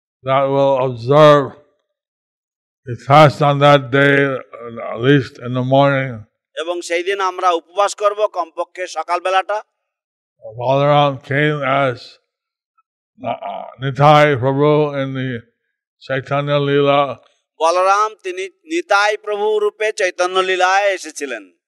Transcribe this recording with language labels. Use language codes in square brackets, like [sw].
[en] That will observe the fast on that day, at least in the morning. [bn] এবং সেই দিন আমরা উপবাস করব কমপক্ষে সকাল বেলাটা. [en] Balaram came as Nitai Prabhu in the Chaitanya Lila. [bn] Balaram তিনি নিতাই প্রভু রূপে চৈতন্য লীলায় এসেছিলেন.